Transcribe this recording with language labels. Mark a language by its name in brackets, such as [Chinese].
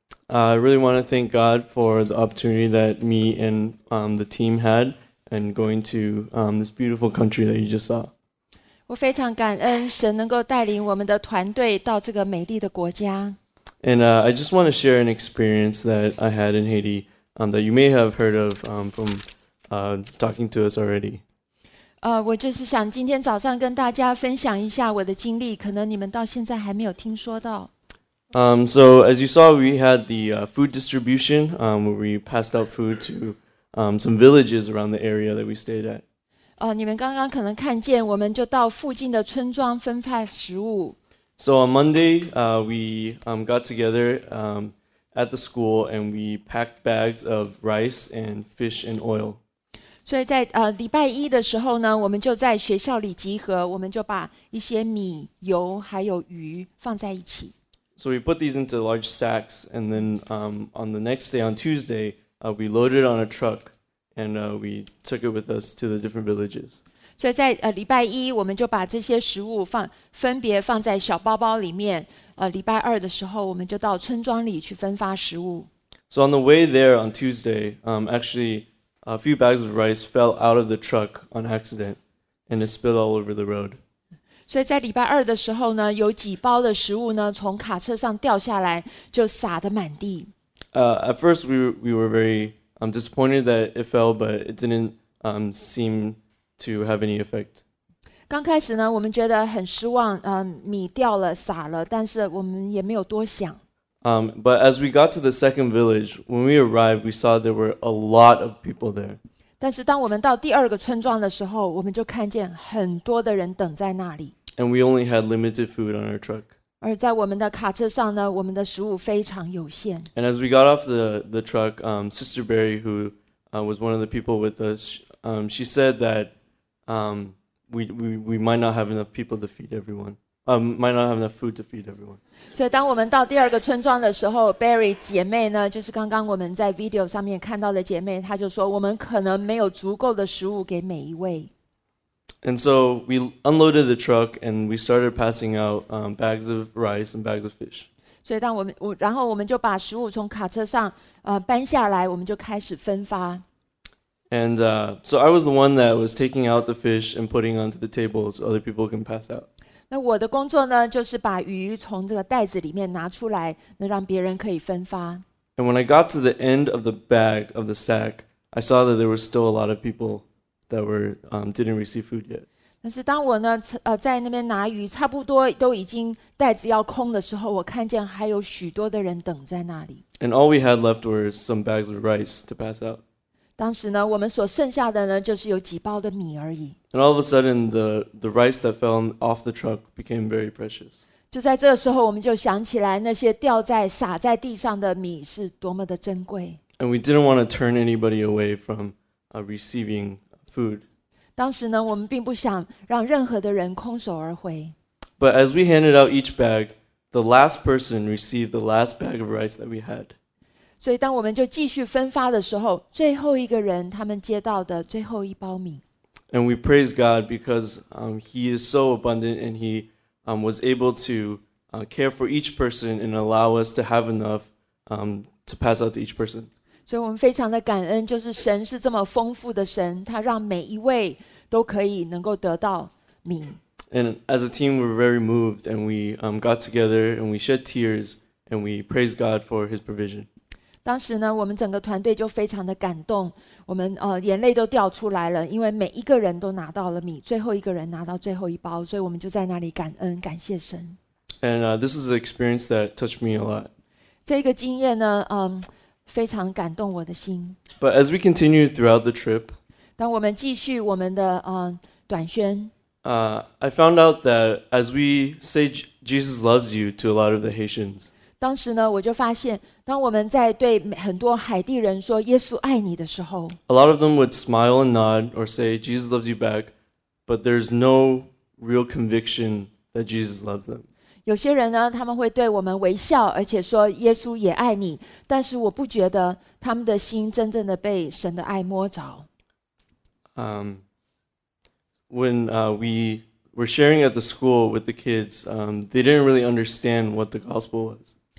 [English] I really want to thank God for the opportunity that me and the team had and going to this beautiful country that you just saw. [Chinese] 我非常感恩神能够带领我们的团队到这个美丽的国家。 [English] And I just want to share an experience that I had in Haiti that you may have heard of from talking to us already. [Chinese] 我就是想今天早上跟大家分享一下我的经历，可能你们到现在还没有听说到。 [English] So as you saw, we had the food distribution, where we passed out food to some villages around the area that we stayed at. [Chinese] 你们刚刚可能看见，我们就到附近的村庄分发食物。 [English] So on Monday, we got together at the school and we packed bags of rice and fish and oil. [Chinese] 所以在礼拜一的时候呢，我们就在学校里集合，我们就把一些米、油还有鱼放在一起。 [English] So we put these into large sacks, and then on the next day, on Tuesday, we loaded on a truck, and we took it with us to the different villages. [Chinese] 所以在礼拜一，我们就把这些食物分别放在小包包里面。礼拜二的时候，我们就到村庄里去分发食物。 [English] So on the way there on Tuesday, A few bags of rice fell out of the truck on accident, and it spilled all over the road. [Chinese] 所以在礼拜二的时候呢，有几包的食物呢，从卡车上掉下来，就洒得满地。 [English] At first, we were very disappointed that it fell, but it didn't seem to have any effect. [Chinese] 刚开始呢，我们觉得很失望，米掉了，洒了，但是我们也没有多想。 [English] But as we got to the second village, when we arrived, we saw there were a lot of people there. [Chinese] 但是当我们到第二个村庄的时候，我们就看见很多的人等在那里。 [English] And we only had limited food on our truck. [Chinese] 而在我们的卡车上呢，我们的食物非常有限。 [English] And as we got off the truck, Sister Barry, who was one of the people with us, she said that we might not have enough people to feed everyone. Might not have enough food to feed everyone. [Chinese] 所以当我们到第二个村庄的时候 ，Barry 姐妹呢，就是刚刚我们在 video 上面看到的姐妹，她就说我们可能没有足够的食物给每一位。 [English] And so we unloaded the truck and we started passing out bags of rice and bags of fish. [Chinese] 所以当我们我然后我们就把食物从卡车上搬下来，我们就开始分发。 [English] And so I was the one that was taking out the fish and putting onto the table so other people can pass out. [Chinese] 那我的工作呢，就是把鱼从这个袋子里面拿出来，那让别人可以分发。 [English] And when I got to the end of the bag of the sack, I saw that there were still a lot of people that were didn't receive food yet. [Chinese] 但是当我呢在那边拿鱼，差不多都已经袋子要空的时候，我看见还有许多的人等在那里。 [English] And all we had left were some bags of rice to pass out. [Chinese] 当时呢，我们所剩下的呢，就是有几包的米而已。 [English] And all of a sudden, the rice that fell off the truck became very precious. [Chinese] 就在这时候，我们就想起来那些掉在洒在地上的米是多么的珍贵。 [English] And we didn't want to turn anybody away from receiving food. [Chinese] 当时呢，我们并不想让任何的人空手而回。 [English] But as we handed out each bag, the last person received the last bag of rice that we had. [Chinese] 所以当我们就继续分发的时候，最后一个人他们接到的最后一包米。 [English] And we praise God because He is so abundant and He was able to care for each person and allow us to have enough to pass out to each person. [Chinese] 所以我们非常的感恩，就是神是这么丰富的神，他让每一位都可以能够得到米。 [English] And as a team, we're very moved, and we got together and we shed tears and we praise God for His provision. [Chinese] 当时呢，我们整个团队就非常的感动，我们眼泪都掉出来了，因为每一个人都拿到了米，最后一个人拿到最后一包，所以我们就在那里感恩，感谢神。 [English] And this is an experience that touched me a lot. [Chinese] 这个经验呢，非常感动我的心。 [English] But as we continue throughout the trip, [Chinese] 当我们继续我们的短宣， [English] I found out that as we say Jesus loves you to a lot of the Haitians, [Chinese] 当时呢，我就发现，当我们在对很多海地人说耶稣爱你的时候， [English] a lot of them would smile and nod or say Jesus loves you back, but there's no real conviction that Jesus loves them. [Chinese] 有些人呢，他们会对我们微笑，而且说耶稣也爱你，但是我不觉得他们的心真正的被神的爱摸着。 [English] When we were sharing at the school with the kids, they didn't really understand what the gospel was.